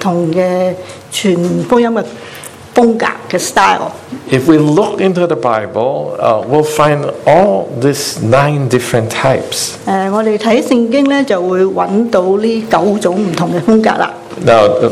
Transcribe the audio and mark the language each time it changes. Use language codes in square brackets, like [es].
[zh] 以下有九种不同的传福音的 [en] If we look into the Bible, we'll find all these 9 different types. [zh] 我们看圣经就会找到这九种不同的风格了。Now,